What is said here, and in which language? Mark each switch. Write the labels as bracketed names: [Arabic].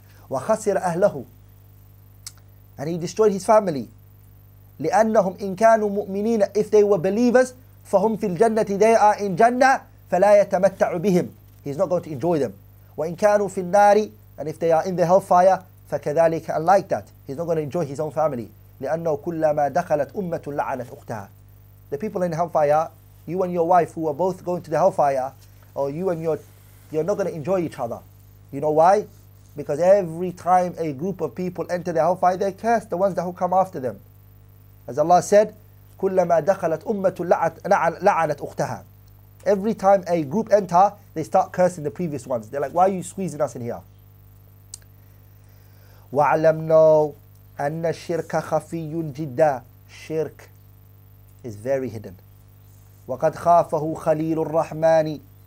[Arabic] وَخَسِرَ أَهْلَهُ. [English] And he destroyed his family. [Arabic] لأنهم إن كانوا مؤمنين. [English] If they were believers, [Arabic] فهم في الجنة. [English] They are in Jannah. [Arabic] فلا يتمتع بهم. [English] He's not going to enjoy them. [Arabic] وإن كانوا في النار. [English] And if they are in the hellfire, [Arabic] فكذلك. [English] And like that, he's not going to enjoy his own family. [Arabic] لأنه كلما دخلت أمة لعنت أختها. [English] The people in the hellfire, you and your wife who are both going to the hellfire, or you and you're not going to enjoy each other. You know why? Because every time a group of people enter the hellfire, they curse the ones that will come after them. As Allah said, [Arabic] كلما دخلت أمة لعنت أختها. [English] Every time a group enter, they start cursing the previous ones. They're like, why are you squeezing us in here? [Arabic] وَعْلَمْنَا أَنَّ الشِّرْكَ خَفِيٌّ جِدًّا. [English] Shirk is very hidden. [Arabic] وَقَدْ خَافَهُ خَلِيلُ الرَّحْمَانِ.